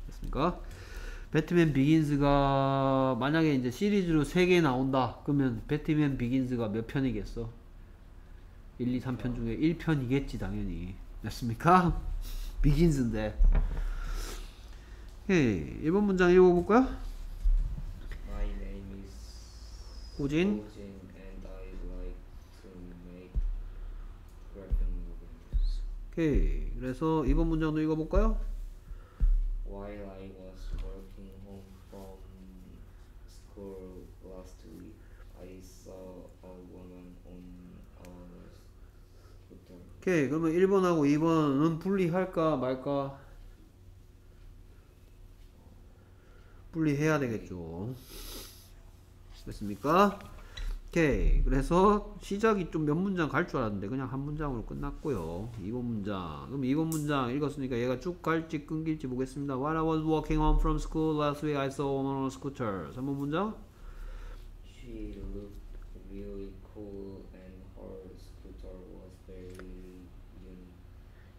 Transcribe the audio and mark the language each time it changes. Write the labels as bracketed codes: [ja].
[ko] 그러니까 배트맨 비긴스가 만약에 이제 시리즈로 3개 나온다 그러면 배트맨 비긴스가 몇 편이겠어? 1, 2, 3편 중에 1편이겠지 당연히. 됐습니까? 비긴스인데. 오케이, 이번 문장 읽어볼까요? [en] My name is [ko] 고진. [en] 고진 and I like to make graphic movies. [ko] 오케이, 그래서 이번 문장도 읽어볼까요? [en] While I was working home from school last week, I saw a woman on a scooter. [ko] 오케이, 그러면 1번하고 2번은 분리할까 말까? 분리해야 되겠죠. 됐습니까? 오케이. 그래서 시작이 좀 몇 문장 갈 줄 알았는데 그냥 한 문장으로 끝났고요. 2번 문장. 그럼 2번 문장 읽었으니까 얘가 쭉 갈지 끊길지 보겠습니다. [en] While I was walking home from school last week, I saw a woman on a scooter. [ko] 3번 문장. [en] She looked really cool and her scooter was very unique.